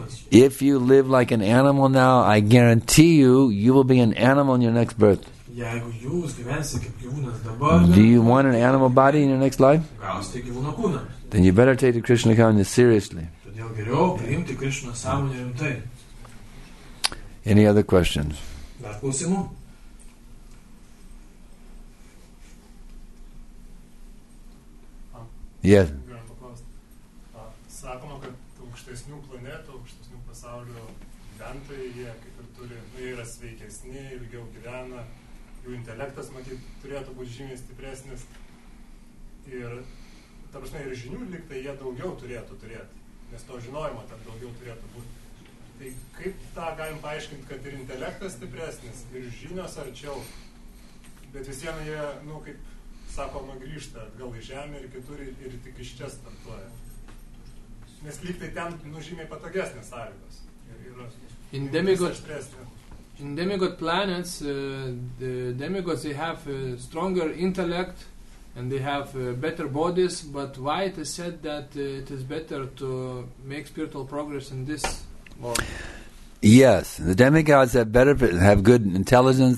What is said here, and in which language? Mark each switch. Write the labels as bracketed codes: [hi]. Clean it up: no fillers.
[en] if you live like an animal now, I guarantee you will be an animal in your next birth. [lt] Jeigu jūs gyvensite kaip gyvūnas dabar, [en] do you want an animal body in your next life? [lt] Gausite gyvūno kūną. [en] Then you better take the Krishna consciousness seriously. [lt] Todėl geriau priimti Krishna sąmonę rimtai. [en] Any other questions? [lt] Dar klausimų? [en] Yes. [lt] Sakoma, kad aukštesnių planetų, aukštesnių pasaulio gyventojai, jie kaip ir turi, yra sveikesni, ilgiau gyvena. Jų intelektas, matyt, turėtų būti žymiai stipresnis. Ir, ta prasme, ir žinių liktai jie daugiau turėtų turėti. Nes to žinojimo tarp daugiau turėtų būti. Tai kaip tą galim paaiškinti, kad ir intelektas stipresnis, ir žinios arčiau. Bet visiems jie, nu, kaip sakoma, grįžta atgal į žemę ir kitur ir tik iš čia startuoja. Nes liktai ten, nu, žymiai patogesnės sąlygos. [en] In demigod planets, the demigods, they have a stronger intellect and they have better bodies, but why it is said that it is better to make spiritual progress in this world? Yes, the demigods have better have good intelligence.